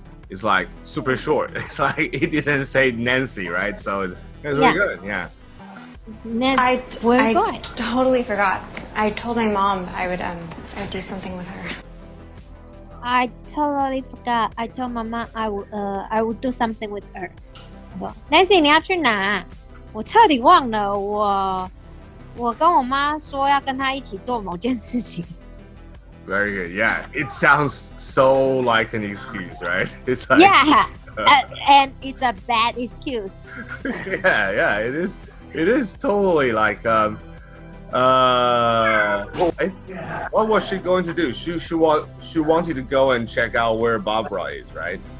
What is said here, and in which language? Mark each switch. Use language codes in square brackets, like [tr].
[en] It's like super short. It's like it didn't say Nancy, right? So it's, Nancy, where are you going? Yeah. Nancy, where are you going? I totally forgot. I told my mom I would do something with her. I totally forgot. I told my mom I would do something with her. [zh] Nancy, 你要去哪？我彻底忘了我跟我妈说要跟她一起做某件事情。 [en] Very good. Yeah, it sounds so like an excuse, right? It's like, yeah, and it's a bad excuse. yeah, it is. It is totally like what was she going to do? She wanted to go and check out where Barbara is, right?